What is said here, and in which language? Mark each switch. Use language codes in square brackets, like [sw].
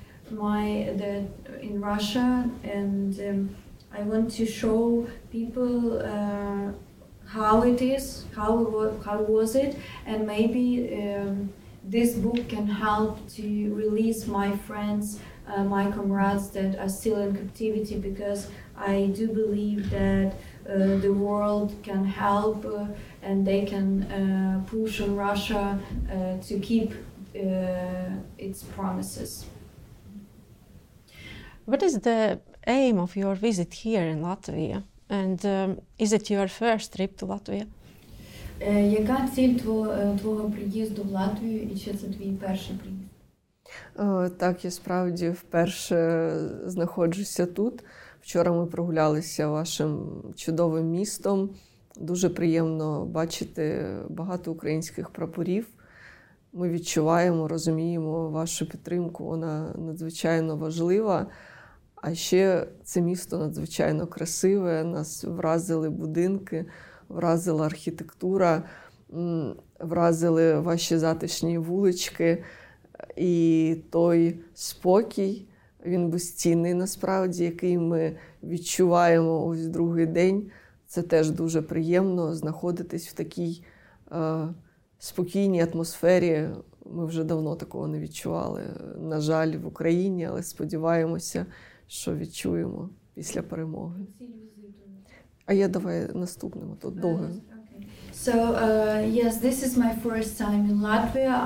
[en] In Russia, and I want to show people how it is, how was it, and maybe this book can help to release my friends, my comrades that are still in captivity, because I do believe that the world can help and they can push on Russia to keep its promises. What is the aim of your visit here in Latvia? And is it your first trip to Latvia? [uk] Яка ціль твого приїзду в Латвію і чи це твій перший приїзд? Так, я справді вперше знаходжуся тут. Вчора ми прогулялися вашим чудовим містом. Дуже приємно бачити багато українських прапорів. Ми відчуваємо, розуміємо вашу підтримку, вона надзвичайно важлива. А ще це місто надзвичайно красиве, нас вразили будинки, вразила архітектура, вразили ваші затишні вулички і той спокій, він безцінний насправді, який ми відчуваємо ось другий день. Це теж дуже приємно знаходитись в такій спокійній атмосфері. Ми вже давно такого не відчували, на жаль, в Україні, але сподіваємося, що відчуємо після перемоги. А я давай наступному, то довго. [en] So, yes, this is my first time in Latvia.